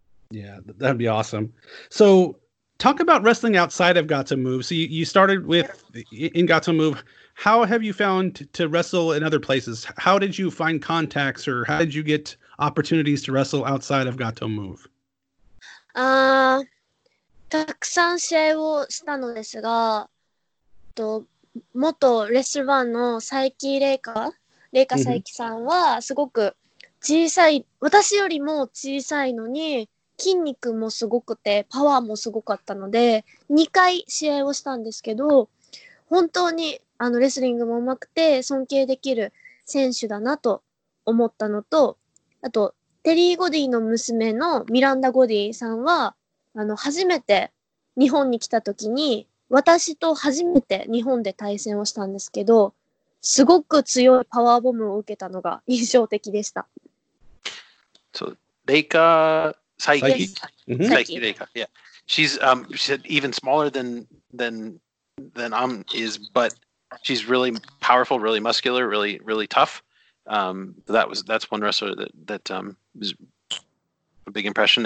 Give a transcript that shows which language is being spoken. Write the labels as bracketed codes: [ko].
[en] Yeah, that'd be awesome. So talk about wrestling outside of Gato Move. So you started with in Gato Move. How have you found to wrestle in other places? How did you find contacts, or how did you get opportunities to wrestle outside of Gato Move? [ja] たくさん試合をしたのですが、元レスラーのサイキレイカ、レイカサイキさんはすごく小さい、私よりも小さいのに筋肉もすごくてパワーもすごかったので2回試合をしたんですけど、本当にあのレスリングもうまくて尊敬できる選手だなと思ったのと、あとテリー・ゴディの娘のミランダ・ゴディさんはあの初めて日本に来た時に私と初めて日本で対戦をしたんですけど、すごく強いパワーボムを受けたのが印象的でした。 [en] So, Reika Saiki. Saiki Reika, yeah. She's even smaller than Am is, but she's really powerful, really muscular, really, really tough. That's one wrestler that was a big impression.